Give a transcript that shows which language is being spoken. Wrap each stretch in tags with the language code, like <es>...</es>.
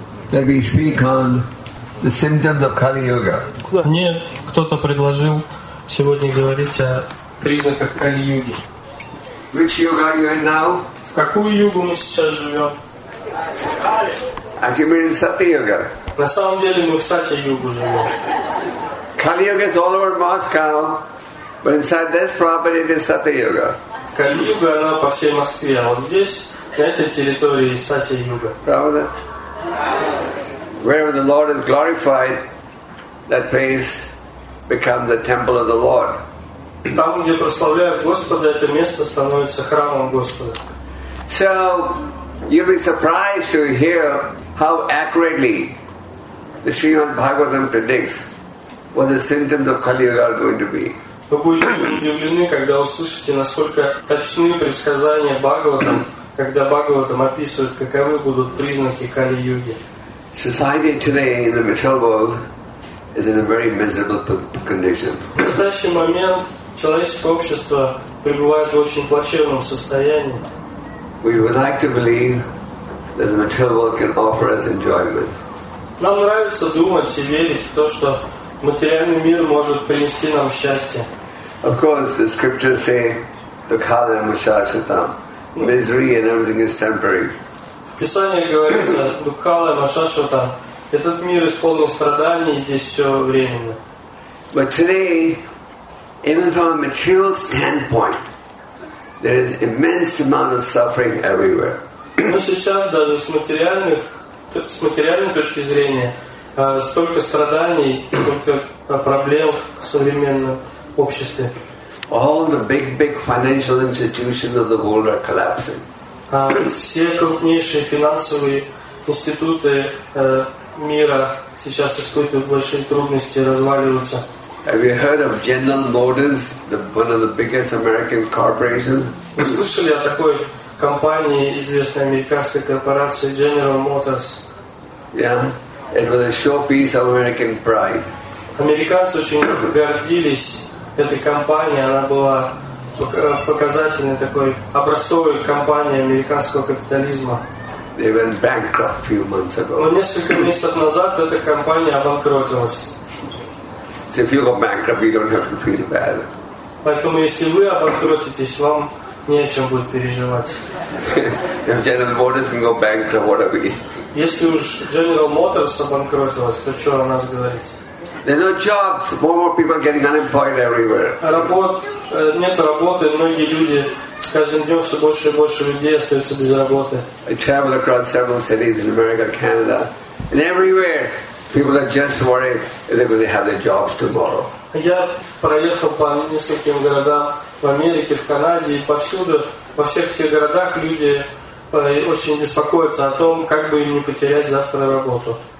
<en>that we speak on the symptoms of Kali Yuga.</en> <ru>Мне кто-то предложил сегодня говорить о признаках Кали Юги.</ru> <en>Which yoga are you in now?</en> <ru>В какую югу мы сейчас живем?</ru> <en>Actually, we're in Sati Yuga.</en> <ru>На самом деле мы в Сати Югу живем.</ru> <en>Kali Yuga is all over Moscow, but inside this property it is Sati Yuga.</en> <ru>Kali Yuga, она по всей Москве, а вот здесь, на этой территории, Сати Юга. Правда?</ru> <en>Wherever the Lord is glorified, that place becomes the temple of the Lord.</en> <ru>Там, где прославляют Господа, это место становится храмом Господа.</ru> <en>So, you'll be surprised to hear how accurately the Srimad Bhagavatam predicts what the symptoms of Kali Yuga are going to be.</en> <ru>Вы будете удивлены, когда услышите, насколько точны предсказания Бхагаватам, когда Бхагаватам описывает, каковы будут признаки Кали-Юги.</ru> <en>Society today in the material world is in a very miserable condition.</en> <ru>В настоящий момент человеческое общество пребывает в очень плачевном состоянии.</ru> <en>We would like to believe that the material world can offer us enjoyment.</en> <ru>Нам нравится думать и верить в то, что материальный мир может принести нам счастье.</ru> <en>Of course, the scriptures say, "Dukhale mashashatam." Misery and everything is temporary.</en> <ru>В Писании говорится, "Dukhale mashashatam." Этот мир исполнен страданий, здесь все временно.</ru> <en>But today, even from a material standpoint, there is immense amount of suffering everywhere.</en> <ru>Но сейчас даже с материальной точки зрения. Столько страданий, столько проблем в современном обществе.</ru> <en>All the big financial institutions of the world are collapsing.</en> <ru>Все крупнейшие финансовые институты мира сейчас испытывают большие трудности, разваливаются.</ru> <en>Have you heard of General Motors, one of the biggest American corporations?</en> <ru>Вы слышали о такой компании, известной американской корпорации General Motors?</ru> <en>Yeah. It was a showpiece of American pride.</en> <ru>Американцы очень гордились этой компанией. Она была показательной такой образцовой компанией американского капитализма.</ru> <en>They went bankrupt a few months ago.</en> <ru>Но несколько месяцев назад эта компания обанкротилась.</ru> <en>So if you go bankrupt, you don't have to feel bad.</en> <ru>Поэтому если вы обанкротитесь, вам не о чем будет переживать.</ru> <en>If General Motors can go bankrupt, what are we?</en> <ru>Если уж General Motors обанкротилась, то что о нас говорить?</ru> <en>There are no jobs. More people getting unemployed everywhere.</en> <ru>Нет работы, многие люди с каждым днем все больше и больше людей остаются без работы.</ru> <en>I travel across several cities in America, Canada, and everywhere people are just worried if they're going to have their jobs tomorrow.</en> <ru>Я проехал по нескольким городам в Америке, в Канаде, и повсюду, во всех этих городах люди очень беспокоятся о том, как бы им не потерять завтра работу.</ru>